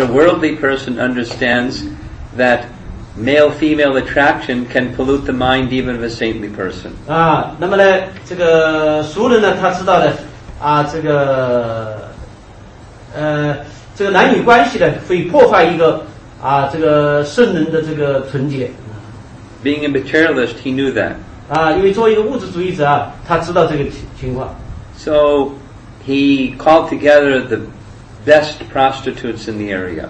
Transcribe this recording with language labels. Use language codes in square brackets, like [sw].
[en] a worldly person understands that male-female attraction can pollute the mind even of a saintly person. [zh] 那么呢，这个俗人呢，他知道的，这个男女关系呢，会破坏一个圣人的这个纯洁。 [en] Being a materialist, he knew that. [zh] 因为作为一个物质主义者，他知道这个情况。 [en] So he called together the best prostitutes in the area.